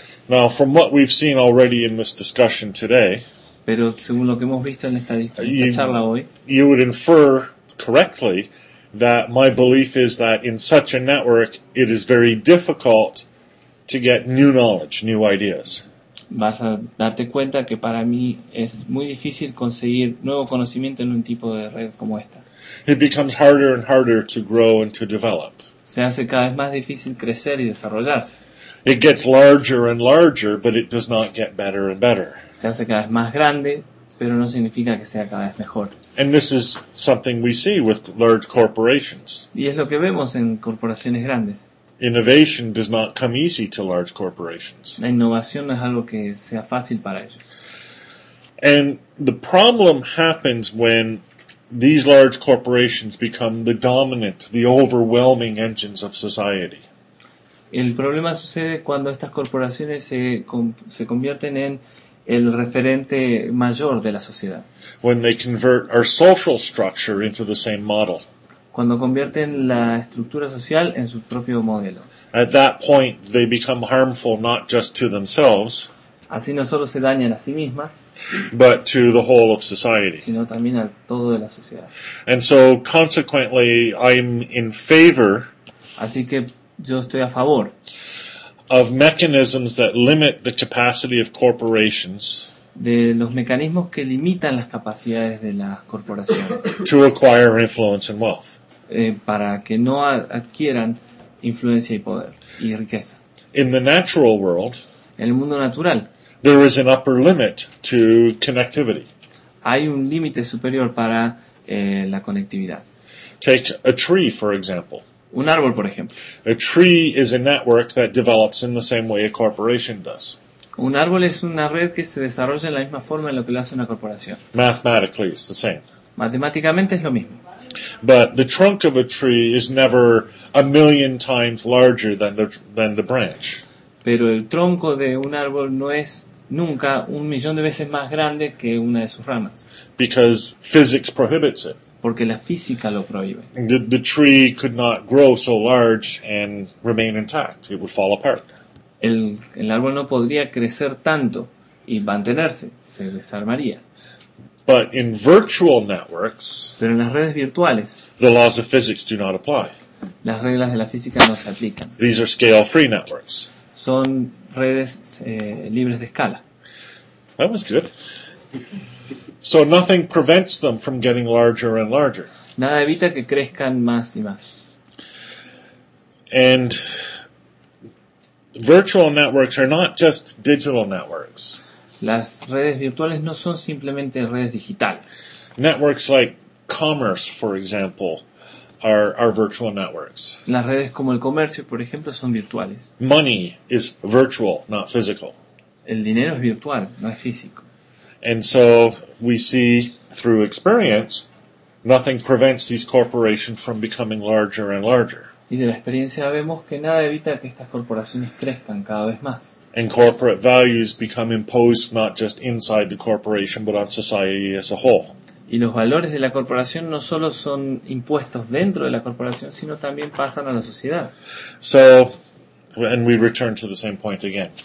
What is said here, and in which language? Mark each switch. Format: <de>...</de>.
<en>Now, from what we've seen already in this discussion today,</en> <es>pero según lo que hemos visto en esta charla hoy,</es> <en>you would infer correctly that my belief is that in such a network it is very difficult to get new knowledge, new ideas.</en> <es>Vas a darte cuenta que para mí es muy difícil conseguir nuevo conocimiento en un tipo de red como esta.</es> <en>It becomes harder and harder to grow and to develop.</en> <es>Se hace cada vez más difícil crecer y desarrollarse.</es> <en>It gets larger and larger, but it does not get better and better.</en> <es>Se hace cada vez más grande, pero no significa que sea cada vez mejor.</es> <en>And this is something we see with large corporations.</en> <es>Y es lo que vemos en corporaciones grandes.</es> <en>Innovation does not come easy to large corporations.</en> <es>La innovación no es algo que sea fácil para ellos.</es> <en>And the problem happens when these large corporations become the dominant, the overwhelming engines of society.</en> <es>El problema sucede cuando estas corporaciones se convierten en el referente mayor de la sociedad.</es> <en>When they convert our social structure into the same model.</en> <es>Cuando convierten la estructura social en su propio modelo.</es> <en>At that point, they become harmful not just to themselves,</en> <es>así no solo se dañan a sí mismas,</es> <en>but to the whole of society.</en> <es>Sino también a todo de la sociedad.</es> <en>And so, consequently, I'm in favor,</en> <es>así que yo estoy a favor,</es> <en>of mechanisms that limit the capacity of corporations,</en> <es>de los mecanismos que limitan las capacidades de las corporaciones,</es> <en>to acquire influence and wealth,</en> <es>para que no adquieran influencia y poder y riqueza.</es> <en>In the natural world,</en> <es>en el mundo natural,</es> <en>there is an upper limit to connectivity.</en> <es>Hay un límite superior para la conectividad.</es> <en>Take a tree, for example.</en> <es>Un árbol, por ejemplo.</es> <en>A tree is a network that develops in the same way a corporation does.</en> <es>Un árbol es una red que se desarrolla en la misma forma en lo que lo hace una corporación.</es> <en>Mathematically, it's the same.</en> <es>Matemáticamente es lo mismo.</es> <en>But the trunk of a tree is never a million times larger than the branch.</en> <es>Pero el tronco de un árbol no es nunca un millón de veces más grande que una de sus ramas.</es> <en>Because physics prohibits it.</en> <es>porque la física lo prohíbe.</es> <en>The tree could not grow so large and remain intact. It would fall apart.</en> <es>El árbol no podría crecer tanto y mantenerse, se desarmaría.</es> <en>But in virtual networks,</en> <es>pero en las redes virtuales,</es> <en>the laws of physics do not apply.</en> <es>Las reglas de la física no se aplican.</es> <en>These are scale-free networks.</en> <es>Son redes libres de escala.</es> <en>That was good. So nothing prevents them from getting larger and larger.</en> <es>Nada evita que crezcan más y más.</es> <en>And virtual networks are not just digital networks.</en> <es>Las redes virtuales no son simplemente redes digitales.</es> <en>Networks like commerce, for example, are virtual networks.</en> <es>Las redes como el comercio, por ejemplo, son virtuales.</es> <en>Money is virtual, not physical.</en> <es>El dinero es virtual, no es físico.</es> <en>And so we see through experience, nothing prevents these corporations from becoming larger and larger.</en> <es>Y de la experiencia vemos que nada evita que estas corporaciones crezcan cada vez más.</es> <en>And corporate values become imposed not just inside the corporation, but on society as a whole.</en> <es>Y los valores de la corporación no solo son impuestos dentro de la corporación, sino también pasan a la sociedad.</es> <en>So, and we return to the same point again.</en>